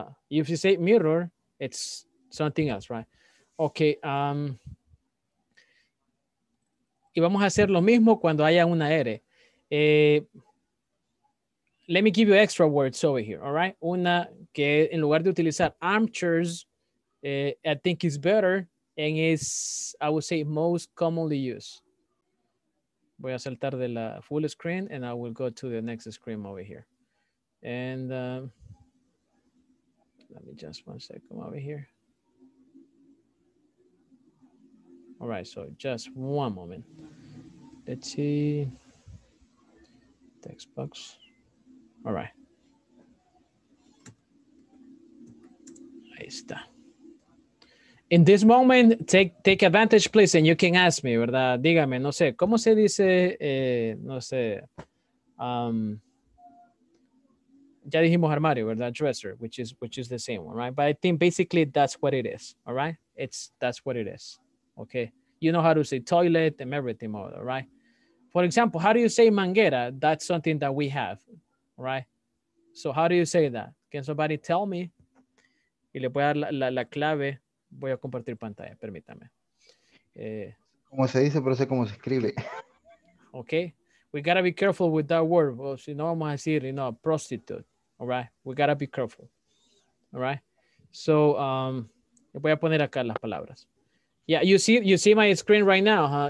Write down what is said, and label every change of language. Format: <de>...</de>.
<en>If you say mirror, it's something else, right? Okay.</en> <es>Y vamos a hacer lo mismo cuando haya una R.</es> <en>Let me give you extra words over here, all right?</en> <es>Una que en lugar de utilizar</es> <en>armchairs, I think is better and is, I would say, most commonly used.</en> <es>Voy a saltar de la</es> <en>full screen and I will go to the next screen over here. And let me just one second over here. All right, so just one moment. Let's see. Text box. All right.</en> <es>Ahí está.</es> <en>In this moment, take advantage, please, and you can ask me,</en> <es>¿verdad? Dígame, no sé, ¿cómo se dice, no sé, ya dijimos armario, ¿verdad?</es> <en>Dresser, which is the same one, right? But I think basically that's what it is, all right? That's what it is, okay? You know how to say toilet and everything, all right? For example, how do you say manguera? That's something that we have, right? So how do you say that? Can somebody tell me?</en> <es>Y le voy a dar la clave. Voy a compartir pantalla, permítame. Como se dice, pero sé cómo se escribe.</es> <en>Okay. We got to be careful with that word. Well,</en> <es>si no vamos a decir,</es> <en>you know, prostitute. All right. We got to be careful. All right. So,</en> <es>voy a poner acá las palabras.</es> <en>Yeah, you see my screen right now, huh?</en>